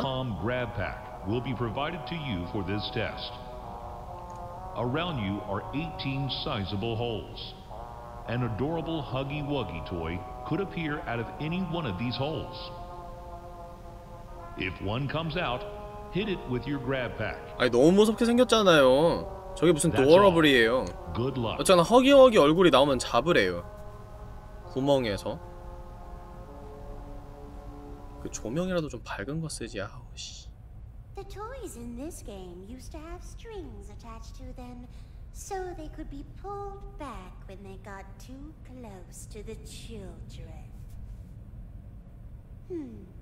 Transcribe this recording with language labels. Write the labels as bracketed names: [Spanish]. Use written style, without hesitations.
[English] A dual-com grab pack will be provided to you for this test. Around you are 18 sizable holes. An adorable Huggy Wuggy toy could appear out of any one of these holes. If one comes out, hit it with your grab pack. [Korean] 아니 너무 무섭게 생겼잖아요. 저게 무슨 도어러블이에요. 어쨌든 허기허기 얼굴이 나오면 잡으래요. 구멍에서. 그 조명이라도 좀 밝은 거 쓰지. 아우 씨. [English] The toys in this game used to have strings attached to them so they could be pulled back when they got too close to the children.